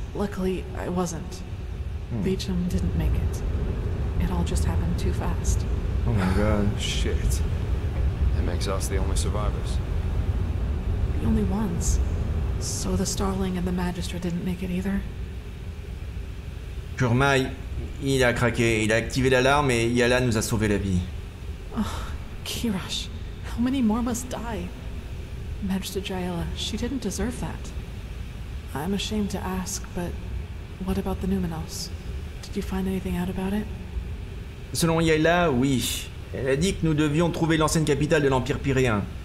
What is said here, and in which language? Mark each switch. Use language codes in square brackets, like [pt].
[en] Luckily, I wasn't. Beecham didn't make it. It all just happened too fast. Oh my god. Shit. That makes us the only survivors. The only ones. So the Starling and the Magister didn't make it either. [fr] Kurma, il a craqué. Il a activé l'alarme et Yala nous a sauvé la vie. [en] Oh, Kirash. How many more must die? Magister Jaela, she didn't deserve that. I'm ashamed to ask, but what about the Numenos? Did you find anything out about it? [fr] Selon Yaela, oui. Elle a dit que nous devions trouver l'ancienne capitale de l'Empire Pyréen.